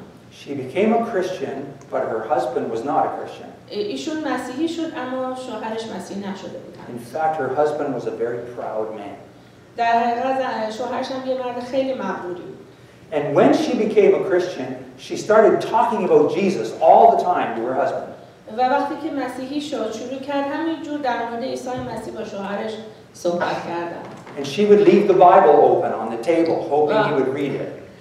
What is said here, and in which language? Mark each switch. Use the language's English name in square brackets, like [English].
[English] She became a Christian, but her husband was not a Christian. [Persian] ایشون مسیحی شد اما شوهرش مسیحی نشده بود. [English] In fact, her husband was a very proud man. [Persian] در حقیقت شوهرش هم یه مرد خیلی مغروری بود. [English] And when she became a Christian, she started talking about Jesus all the time to her husband. [Persian] و وقتی که مسیحی شد شروع کرد همینجور در مورد عیسی مسیح با شوهرش صحبت کردن. [English] And she would leave the Bible open on the table, hoping he would read it.